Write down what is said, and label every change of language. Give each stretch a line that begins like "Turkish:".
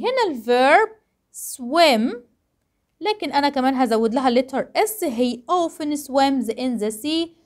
Arabic: هنا الverb swim. لكن أنا كمان هزود لها letter S.
English: He often swims in the sea.